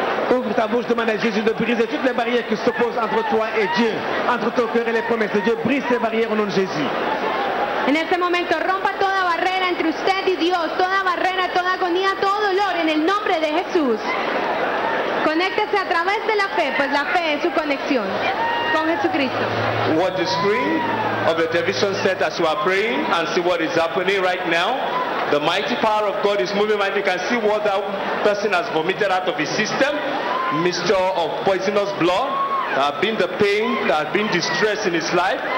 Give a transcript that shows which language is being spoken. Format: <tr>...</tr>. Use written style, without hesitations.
<fr>Ouvre ta bouche, demande à Jésus de briser toutes les barrières qui s'opposent entre toi et Dieu, entre ton cœur et les promesses de Dieu. Brise ces barrières au nom de Jésus. En ce moment,</fr> <es>rompa toda barrera entre usted y Dios, toda barrera, toda agonía, todo dolor, en el nombre de Jesús. Conéctese a través de la fe, pues la fe es su conexión con Jesucristo.</es> <en>Watch the screen of the television set as you are praying and see what is happening right now. The mighty power of God is moving right. You can see what that person has vomited out of his system. Mixture of poisonous blood. There have been the pain, there have been distress in his life.</en>